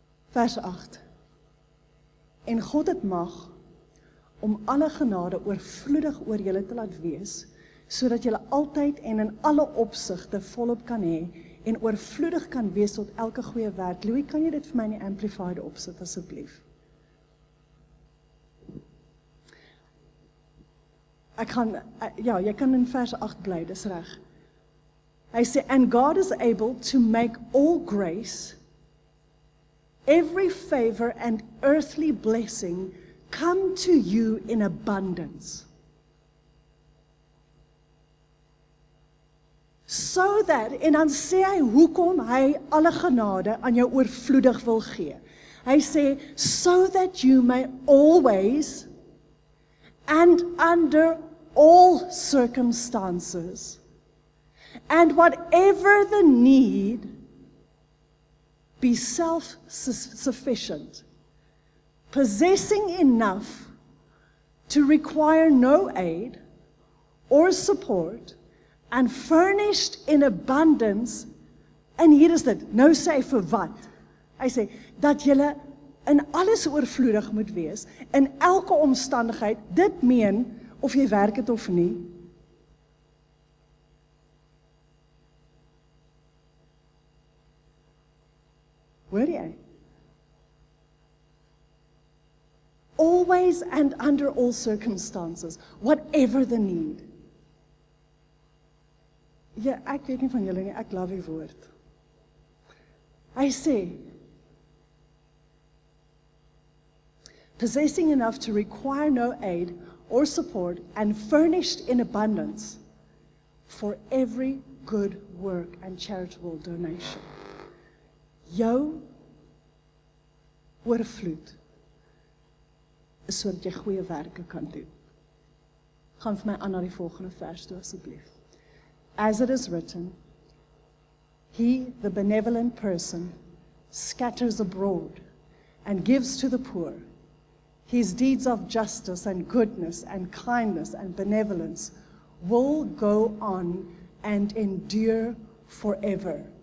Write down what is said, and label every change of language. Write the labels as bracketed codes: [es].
[af] Vers 8, en God het mag, om alle genade oorvloedig oor julle te laat wees, sodat julle altyd en in alle opsigte volop kan hê en oorvloedig kan wees tot elke goeie werk. Louis, kan jy dit vir my in die Amplified opsit, asseblief? Ek gaan, ja, jy kan in vers 8 bly, dis reg. Hy sê, [en] and God is able to make all grace, every favor and earthly blessing come to you in abundance. So that, [af] en dan sê hy, hoekom hy alle genade aan jou oorvloedig wil gee. Hy sê, [en] so that you may always and under all circumstances and whatever the need be self-sufficient, possessing enough to require no aid or support and furnished in abundance. [af] En hier is dit, nou sê vir wat? Hy sê, dat julle in alles oorvloedig moet wees, in elke omstandigheid, dit meen of jy werk het of nie. Hoor jy? [en] Always and under all circumstances, whatever the need. [af] Ja, ek weet nie van julle nie, ek love die woord. Hy sê, [en] possessing enough to require no aid or support and furnished in abundance for every good work and charitable donation. [af] Jou oorvloed is so dat jy goeie werke kan doen. Gaan vir my aan na die volgende vers toe asseblief. [en] As it is written, he, the benevolent person, scatters abroad and gives to the poor. His deeds of justice and goodness and kindness and benevolence will go on and endure forever.